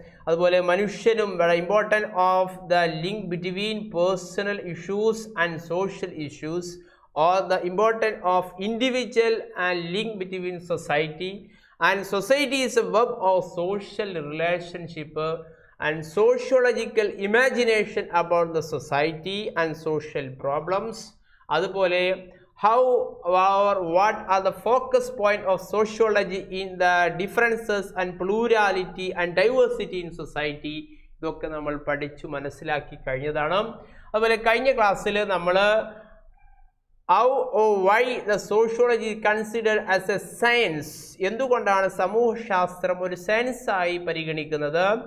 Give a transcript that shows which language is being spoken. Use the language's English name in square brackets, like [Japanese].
[Malayalam] adu pole manushyanum [English] very important of the link between personal issues and social issues or the important of individual and link between society and society is a web of social relationship and sociological imagination about the society and social problems. Adupole, how or what are the focus point of sociology in the differences and plurality and diversity in society? [Malayalam] ഇതൊക്കെ നമ്മൾ പഠിച്ചു മനസ്സിലാക്കി കഴിഞ്ഞതാണ്. അതുപോലെ കഴിഞ്ഞ ക്ലാസ്സിൽ നമ്മൾ [English] how or why the sociology is considered as a science? [Malayalam] എന്തുകൊണ്ടാണ് സമൂഹശാസ്ത്രം ഒരു സയൻസ് ആയി പരിഗണിക്കുന്നത്?